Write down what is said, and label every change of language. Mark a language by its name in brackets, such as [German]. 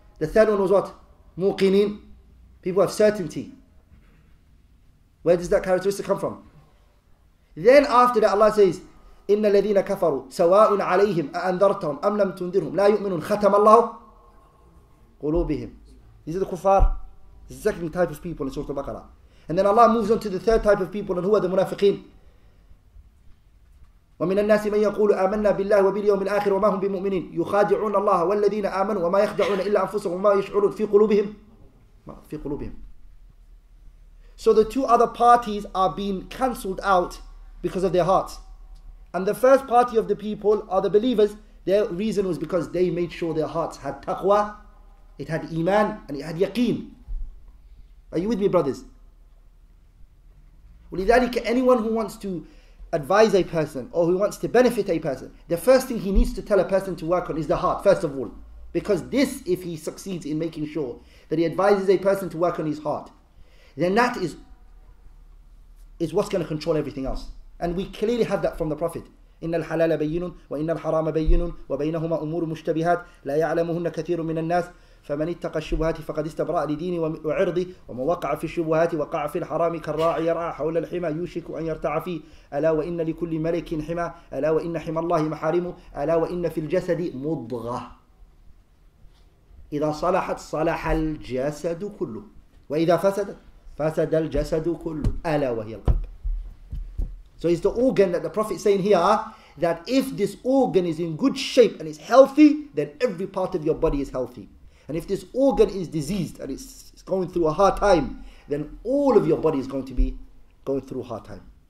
[Arabic] الثاني والوزوات موقنين. [English] People have certainty. Where does that characteristic come from? [Arabic] Then after that Allah says, إن الذين كفروا سواء عليهم أأنذرتهم أم لم تنذرهم لا يؤمنون ختم الله قلوبهم. [English] These are the kuffar. This is the second type of people in Surah Al-Baqarah. And then Allah moves on to the third type of people, and who are the munafiqeen. [Arabic] ومن الناس من يقول آمنا بالله وباليوم الآخر وما هم بمؤمنين يخادعون الله والذين آمنوا وما يخدعون إلا أنفسهم وما يشعرون في قلوبهم في قلوبهم. [English] So the two other parties are being cancelled out because of their hearts. And the first party of the people are the believers. Their reason was because they made sure their hearts had taqwa, it had iman, and it had yaqeen. Are you with me, brothers? ولذلك, anyone who wants to advise a person or who wants to benefit a person, the first thing he needs to tell a person to work on is the heart, first of all. Because this, if he succeeds in making sure that he advises a person to work on his heart, then that is what's going to control everything else. And we clearly have that from the Prophet. [Arabic] إن الحلال بين وإن الحرام بين وبينهما أمور مشتبهات لا يعلمهن كثير من الناس فمن اتقى الشبهات فقد استبرأ لديني وعرضي ومن وقع في الشبهات وقع في الحرام كالراعي يرعى حول الحمى يوشك أن يرتع فيه ألا وإن لكل ملك حمى ألا وإن حمى الله محارمه ألا وإن في الجسد مضغة إذا صلحت صلح الجسد كله وإذا فسد فسد الجسد كله ألا وهي القلب. [English] So it's the organ that the Prophet is saying here, that if this organ is in good shape and it's healthy, then every part of your body is healthy. And if this organ is diseased and it's going through a hard time, then all of your body is going to be going through a hard time.